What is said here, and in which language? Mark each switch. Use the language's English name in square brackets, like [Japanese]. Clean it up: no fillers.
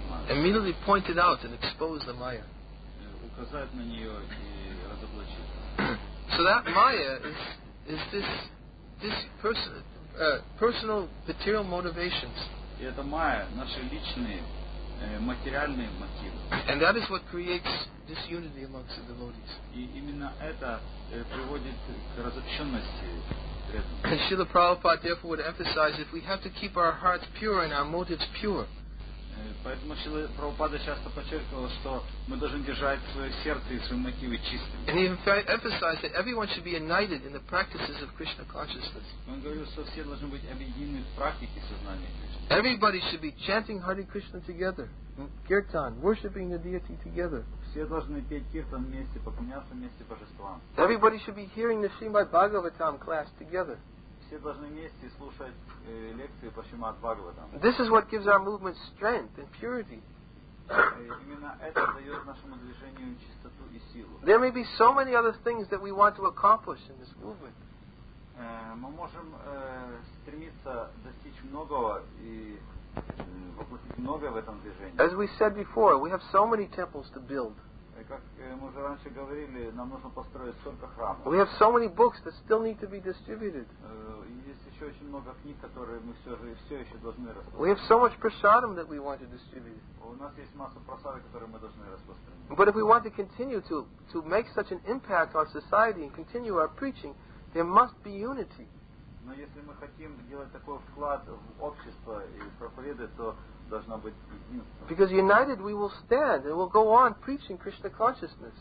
[English] immediately point it out and expose the Maya. [Russian] Указать на нее и разоблачить. [English] So that Maya is this personal material motivations. [Russian] И это Maya, наши личные материальные мотивы. [English] And that is what creates disunity amongst the devotees. [Russian] И именно это приводит к разобщенности. [English] And Srila Prabhupada therefore would emphasize if we have to keep our hearts pure and our motives pure. [Russian] Поэтому Шрила Прабхупада часто подчеркивал, что мы должны держать свое сердце и свои мотивы чистыми. [English] And he emphasized that everyone should be united in the practices of Krishna consciousness. [Russian] Он говорил, что все должны быть объединены в практике сознания Кришны. [English] Everybody should be chanting Hare Krishna together, kirtan, worshipping the deity together. [Russian] Все должны петь киртан вместе, поклоняться вместе божествам. [English] Everybody should be hearing the Srimad Bhagavatam class together. [Russian] Все должны вместе слушать лекции по Шримад Бхагаватам. [English] This is what gives our movement strength and purity. [Russian] Именно это дает нашему движению чистоту и силу. [English] There may be so many other things that we want to accomplish in this movement. [Russian] Мы можем стремиться достичь многого и воплотить многое в этом движении. [English] As we said before, we have so many temples to build. [Russian] Как мы уже раньше говорили, нам нужно построить столько храмов. [English] We have so many books that still need to be distributed. [Russian] Есть еще очень много книг, которые мы все еще должны распространить. [English] We have so much prasadam that we want to distribute. [Russian] У нас есть масса прасада, которую мы должны распространить. [English] But if we want to continue to make such an impact on society and continue our preaching, there must be unity. [Russian] Но если мы хотим делать такой вклад в общество и проповедовать, то должна быть единство. [English] Because united we will stand and we'll go on preaching Krishna consciousness.